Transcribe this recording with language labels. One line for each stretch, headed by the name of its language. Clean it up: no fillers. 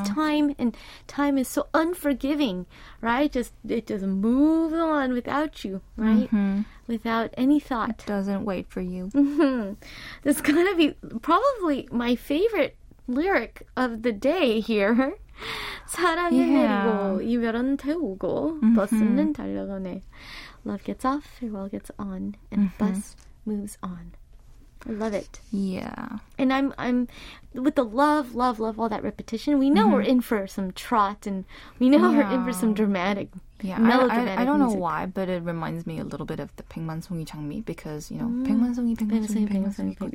English: It's time, and time is so unforgiving, right? It just moves on without you, right? Mm-hmm. Without any thought. It doesn't wait for you. Mm-hmm. This is going to be probably my favorite lyric of the day here.
Korean: 사랑해 내리고 이별은 태우고 버스는 달려가네.
English: Love gets off, farewell gets on, and mm-hmm. bus moves on. I love it. Yeah. And I'm with the love, love, love, all that repetition, we know mm-hmm. we're in for some trot, and we know we're in for some dramatic, melodramatic I don't know music. Why, but it reminds me a little bit of the 백만송이 장미, because, you know, 백만송이, 백만송이, 백만송이, 백만송이,